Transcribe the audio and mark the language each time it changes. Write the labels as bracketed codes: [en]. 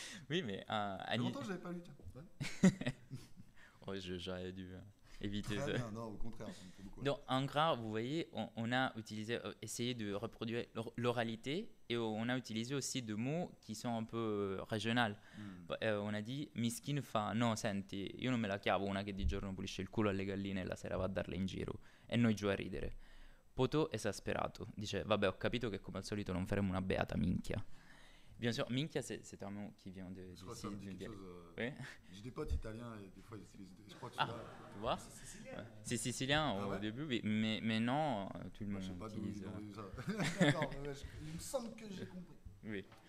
[fr] Oui, mais. Longtemps j'avais pas lu, tiens. Ouais. j'aurais dû éviter très ça. Bien, non, au contraire. Donc, en gras, vous voyez, on a utilisé, essayé de reproduire l'oralité et on a utilisé aussi des mots qui sont un peu régionales. On a dit [it] Miskin fa, no, senti, io non me la chiavo una che di giorno pulisce il culo alle galline e la sera va a darle in giro. E noi giù a ridere. Poto esasperato dice: vabbè, ho capito che come al solito non faremo una beata minchia. [fr] Bien sûr, minchia, c'est un mot qui vient de. Je crois que ça me dit quelque chose. J'ai des potes italiens et des fois ils utilisent. Je crois que tu vois. C'est sicilien au début, mais non, tout le monde. Je sais pas d'où ils ont eu ça. D'accord, il me semble que j'ai compris. Oui.